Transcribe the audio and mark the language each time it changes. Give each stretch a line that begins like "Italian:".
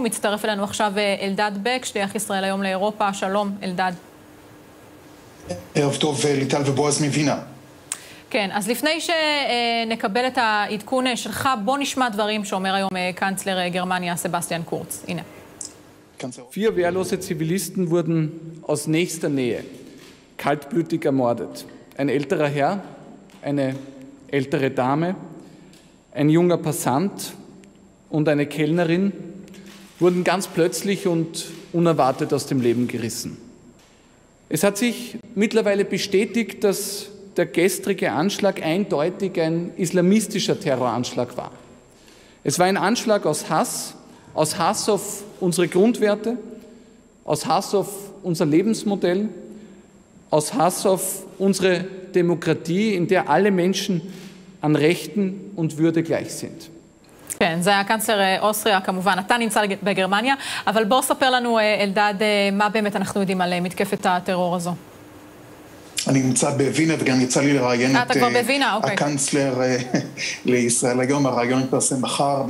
Hebrew: מצטרף אלינו עכשיו אלדד בק, שליח ישראל היום לאירופה, שלום אלדד. ערב טוב ליטל ובועז מבינה. כן, אז לפני שנקבל את העדכון שלך, בוא נשמע דברים שאומר היום קאנצלר גרמניה סבסטיאן קורץ. הנה.
German: Vier wehrlose Zivilisten wurden aus nächster Nähe kaltblütig ermordet. Ein älterer Herr, eine ältere Dame, ein junger Passant und eine Kellnerin wurden ganz plötzlich und unerwartet aus dem Leben gerissen. Es hat sich mittlerweile bestätigt, dass der gestrige Anschlag eindeutig ein islamistischer Terroranschlag war. Es war ein Anschlag aus Hass auf unsere Grundwerte, aus Hass auf unser Lebensmodell, aus Hass auf unsere Demokratie, in der alle Menschen an Rechten und Würde gleich sind.
Hebrew: כן, זה היה קנצלר אוסטריה כמובן, אתה נמצא בגרמניה, אבל בוא ספר לנו אלדד מה באמת אנחנו יודעים על מתקפת הטרור הזו. אני נמצא בווינה וגם יצא לי לראיין את הקנצלר לישראל היום, הראיון יתפרסם מחר.